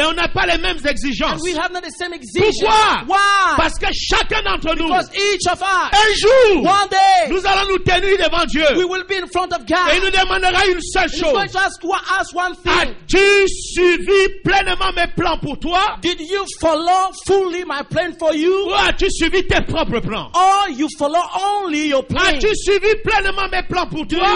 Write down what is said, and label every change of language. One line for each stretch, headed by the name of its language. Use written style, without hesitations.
French: Et on n'a pas les mêmes exigences.
English: And we have not the same exigences.
French: Pourquoi?
English: Why?
French: Parce que chacun d'entre nous,
English: because each of us,
French: un jour,
English: one day,
French: nous allons nous tenir devant Dieu.
English: We will be in front of God.
French: Et il nous demandera une seule chose.
English: Just ask one thing.
French: As-tu suivi pleinement mes plans pour toi?
English: Did you follow fully my plan for you?
French: Ou as-tu suivi tes propres plans?
English: Or you follow only your plan?
French: As-tu suivi pleinement mes plans pour toi?